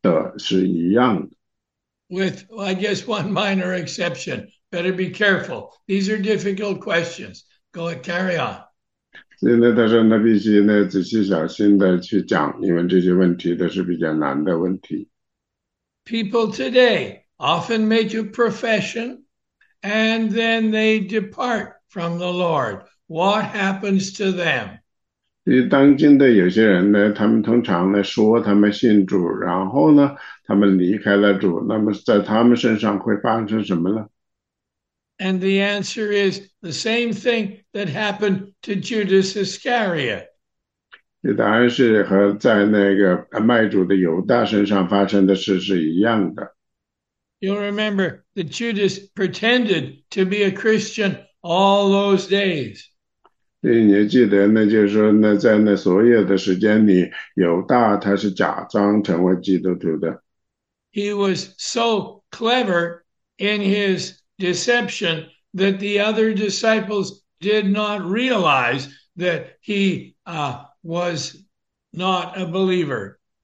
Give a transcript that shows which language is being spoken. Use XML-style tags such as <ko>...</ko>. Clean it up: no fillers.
<zh>他说呢，其实这样的一个答案是呢，跟当时呢，跟今天这些离弃了主和在那个进入耶路撒冷、新耶路撒冷城那个时候的是一样的。</zh> <en>With, I guess, one minor exception. Better be careful. These are difficult questions. Go ahead, carry on.</en> <zh>所以呢，他说呢，必须呢仔细小心的去讲，因为这些问题都是比较难的问题。</zh> <en>People today often make a profession and then they depart from the Lord. What happens to them?</en> <zh>所以当今的有些人呢，他们通常呢说他们信主，然后呢，他们离开了主，那么在他们身上会发生什么呢？</zh> <en>And the answer is the same thing that happened to Judas Iscariot.</en> <zh>这当然是和在那个卖主的犹大身上发生的事是一样的。</zh> <en>You'll remember that Judas pretended to be a Christian all those days.</en> <zh>对，你记得那就是说，那在那所有的时间里，犹大他是假装成为基督徒的。</zh> <en>He was so clever in his deception that the other disciples did not realize that he was not a believer.</en>